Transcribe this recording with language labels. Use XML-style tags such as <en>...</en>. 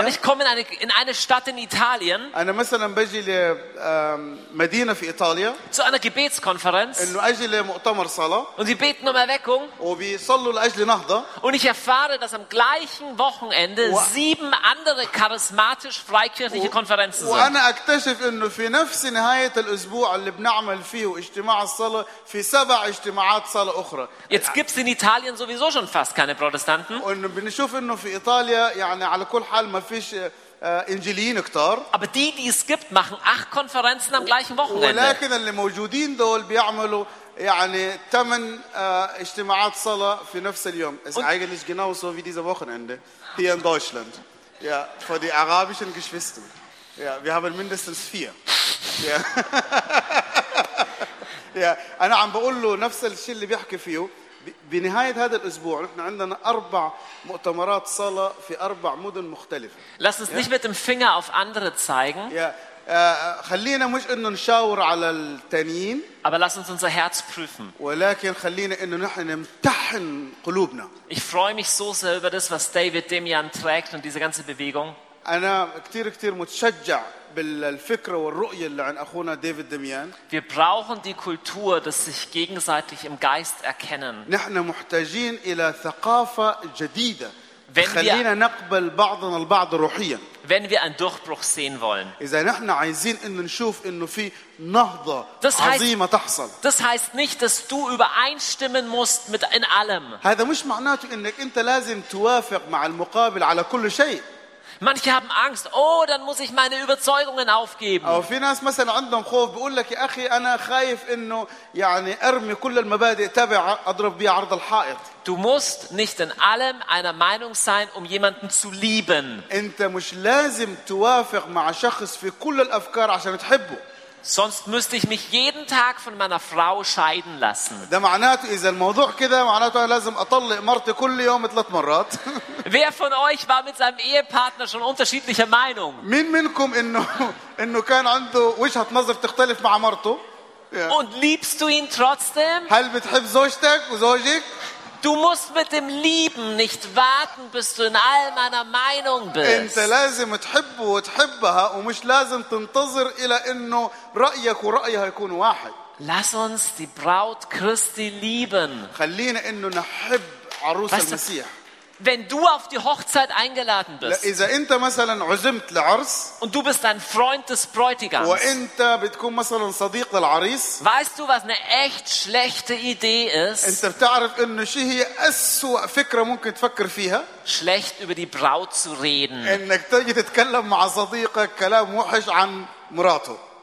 <de>Aber ich komme in eine Stadt in Italien.</de> <ar>أنا مثلاً بجي لمدينة في إيطاليا.</ar> <de>Zu einer Gebetskonferenz.</de> <ar>إنه أجل مؤتمر صلاة.</ar> <de>Und sie beten um Erweckung.</de> <ar>وبيصلوا لأجل نهضة.</ar> <de>Und ich erfahre, dass am gleichen Wochenende sieben andere charismatisch freikirchliche Konferenzen sind.</de> <ar>وأنا أكتشف إنه في نفس نهاية الأسبوع اللي بنعمل فيه اجتماع الصلاة في سبع اجتماعات صلاة أخرى.</ar> <de>Jetzt gibt's in Italien sowieso schon fast keine Protestanten.</de> <ar>وإنه بنشوف إنه في إيطاليا يعني على كل حال ما فيش انجيليين كتار.</ar> <de>Aber die, die es gibt, machen acht Konferenzen am gleichen Wochenende.</de> <ar>ولكن اللي موجودين دول بيعملوا يعني ثمان اجتماعات صلاة في نفس اليوم.</ar> <de>Eigentlich genauso wie dieses Wochenende hier in Deutschland. Ja, für die arabischen Geschwister. Ja, wir haben mindestens vier. Ja. Ja,</de> <ar>أنا عم بقول له نفس الشيء اللي بيحكي فيه. بنهاية هذا الأسبوع نحن عندنا أربع مؤتمرات صلاة في أربع مدن مختلفة.</ar> <de>Lass uns nicht mit dem Finger auf andere zeigen.</de> <ar>خلينا مش إنه نشاور على التانيين.</ar> <de>Aber lass uns unser Herz prüfen.</de> <ar>ولكن خلينا إنه نحن نمتحن قلوبنا.</ar> <de>Ich freue mich so sehr über das, was David Demian trägt und diese ganze Bewegung.</de> <ar>أنا كتير كتير متشجع بالفكرة والرؤية اللي عن أخونا ديفيد ديميان.</ar> <de>Wir brauchen die Kultur, dass sich gegenseitig im Geist erkennen.</de> <ar>نحن محتاجين إلى ثقافة جديدة. خلينا نقبل بعضنا البعض روحيا.</ar> <de>Wenn wir einen Durchbruch sehen wollen.</de> <ar>إذا نحن عايزين إن نشوف إنه في نهضة عظيمة تحصل.</ar> <de>Das heißt nicht, dass du übereinstimmen musst mit in allem.</de> <ar>هذا مش معناته إنك أنت لازم توافق مع المقابل على كل شيء.</ar> <de>Manche haben Angst. Oh, dann muss ich meine Überzeugungen aufgeben. Aber</de> <ar>في ناس مثلا عندهم خوف بيقول لك يا أخي أنا خايف إنه يعني أرمي كل المبادئ تبع أضرب بيها عرض الحائط.</ar> <de>Du musst nicht in allem einer Meinung sein, um jemanden zu lieben.</de> <ar>أنت مش لازم توافق مع شخص في كل الأفكار عشان تحبه.</ar> <de>Sonst müsste ich mich jeden Tag von meiner Frau scheiden lassen.</de> <ar>ده معناته إذا الموضوع كده معناته لازم أطلق مرتي كل يوم ثلاث مرات.</ar> <de>Wer von euch war mit seinem Ehepartner schon unterschiedlicher Meinung?</de> <ar>مين منكم إنه كان عنده وجهة نظر تختلف مع مرته؟</ar> <de>Und liebst du ihn trotzdem?</de> <ar>هل بتحب زوجتك وزوجك؟</ar> <de>Du musst mit dem Lieben nicht warten, bis du in all meiner Meinung bist.</de> <ar>أنت لازم تحبه وتحبها ومش لازم تنتظر إلى إنه رأيك ورأيها يكون واحد.</ar> <de>Lass uns die Braut Christi lieben.</de> <ar>خلينا إنه نحب عروس المسيح.</ar> <de>Wenn du auf die Hochzeit eingeladen bist.</de> <ar>إذا أنت مثلاً عزمت لعرس.</ar> <de>Und du bist ein Freund des Bräutigams.</de> <ar>وأنت بتكون مثلاً صديق للعريس.</ar> <de>Weißt du, was eine echt schlechte Idee ist?</de> <ar>أنت بتعرف إنه شيء هي أسوأ فكرة ممكن تفكر فيها.</ar> <de>Schlecht über die Braut zu reden.</de> <ar>إنك تجي تتكلم مع صديقك كلام وحش عن مراته.</ar>